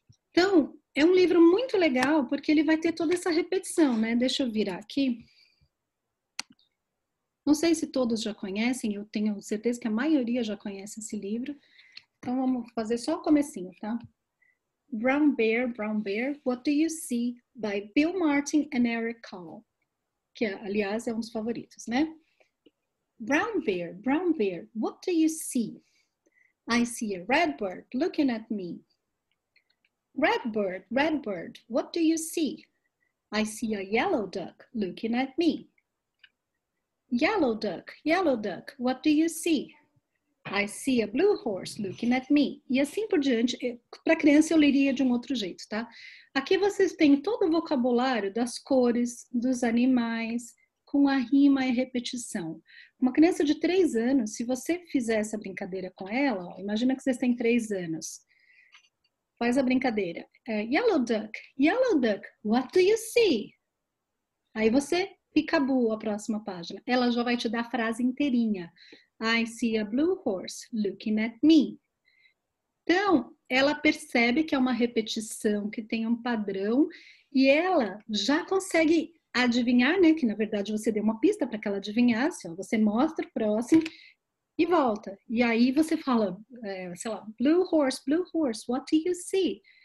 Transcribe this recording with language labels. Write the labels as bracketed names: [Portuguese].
[Portuguese] Então, é um livro muito legal, porque ele vai ter toda essa repetição, né? Deixa eu virar aqui. Não sei se todos já conhecem, eu tenho certeza que a maioria já conhece esse livro. Então, vamos fazer só o comecinho, tá? [English] Brown Bear, Brown Bear, What Do You See? By Bill Martin and Eric Call. [Portuguese] Que, aliás, é um dos favoritos, né? [English] Brown Bear, Brown Bear, What Do You See? I see a red bird looking at me. Red bird, red bird, what do you see? I see a yellow duck looking at me. Yellow duck, what do you see? I see a blue horse looking at me. [Portuguese] E assim por diante, para criança eu leria de um outro jeito, tá? Aqui vocês têm todo o vocabulário das cores, dos animais, com a rima e repetição. Uma criança de 3 anos, se você fizer essa brincadeira com ela, ó, imagina que vocês têm 3 anos. Faz a brincadeira. [English] Yellow duck, what do you see? [Portuguese] Aí você, peekaboo, a próxima página. Ela já vai te dar a frase inteirinha. [English] I see a blue horse looking at me. [Portuguese] Então, ela percebe que é uma repetição, que tem um padrão. E ela já consegue adivinhar, né? Que na verdade você deu uma pista para que ela adivinhasse. Ó. Você mostra o próximo. E volta. E aí você fala, sei lá, blue horse, what do you see?